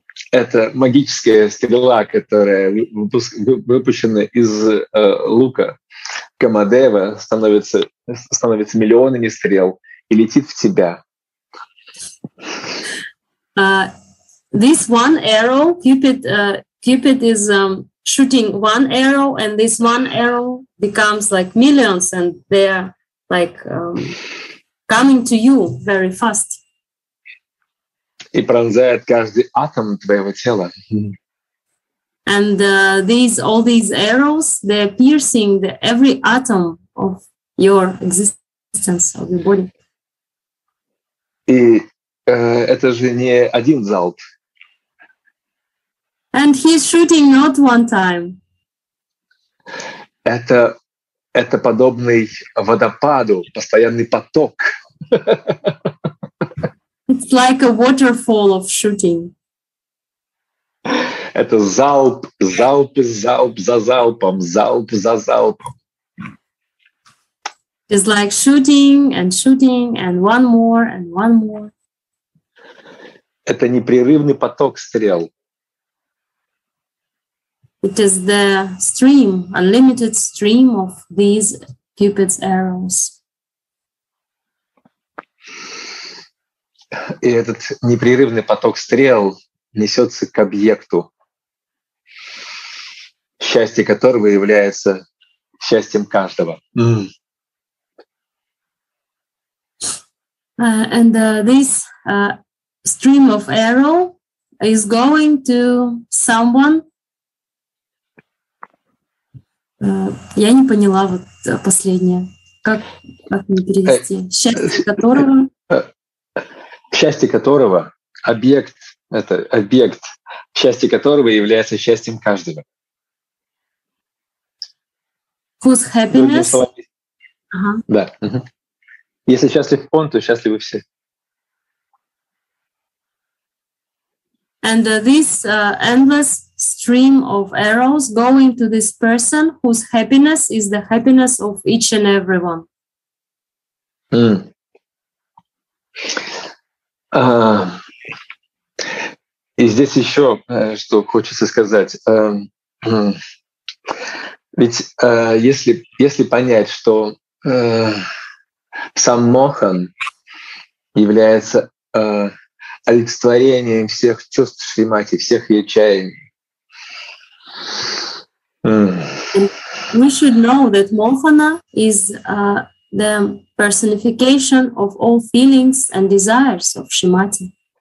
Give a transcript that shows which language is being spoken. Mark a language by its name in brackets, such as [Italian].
[Russian] Это магическая стрела, которая выпущена из лука Камадева, становится миллионами стрел и летит в тебя. [English] This one arrow, Cupid is shooting one arrow, and this one arrow becomes like millions, and they're like coming to you very fast. [Russian] И пронзает каждый атом твоего тела. [English] And all these arrows, they're piercing every atom of your existence, of your body. [Russian] И это же не один залп. [English] And he's shooting not one time. [Russian] Это подобный водопаду, постоянный поток. [English] It's like a waterfall of shooting. [Russian] Это залп, залп, залп за залпом, залп за залпом. [English] It's like shooting and shooting and one more and one more. [Russian] Это непрерывный поток стрел. [English] It is the stream, unlimited stream of these Cupid's arrows. [Russian] И этот непрерывный поток стрел несется к объекту, счастье которого является счастьем каждого. Mm. [English] And this stream of arrow is going to someone. [Russian] Я не поняла вот последнее. Как мне перевести? Счастье которого... Счастье которого объект, это объект, счастье которого является счастьем каждого. [English] Whose happiness? Uh-huh. Да. Uh-huh. [Russian] Если счастлив он, то счастливы все. [English] And this endless stream of arrows going to this person whose happiness is the happiness of each and everyone. Mm. [Russian] И здесь еще, что хочется сказать. Ведь если понять, что сам Мохан является олицетворением всех чувств Шримати, всех ее чаяний. [English] We should know that Mohana is the personification of all feelings and desires of Shrimati.